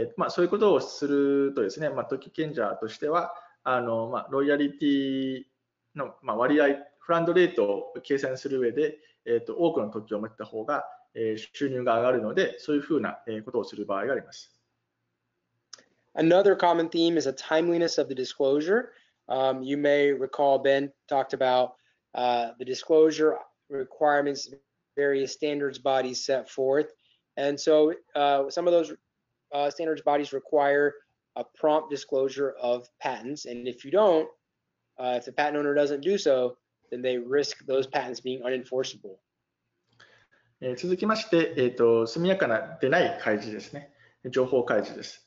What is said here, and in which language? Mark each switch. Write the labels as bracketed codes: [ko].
[ja] そういうことをするとですね、特許権者としては、ロイヤリティの、割合、フランドレートを計算する上で、多くの特許を持った方が、収入が上がるので、そういうふうな、ことをする場合があります。 [en] Another common theme is the timeliness of the disclosure. You may recall Ben talked about the disclosure requirements various standards bodies set forth. And so some of those standards bodies require a prompt disclosure of patents. And if you don't, if the patent owner doesn't do so,then they risk those patents being unenforceable. [ja] 続きまして、速やかな出ない開示ですね。情報開示です。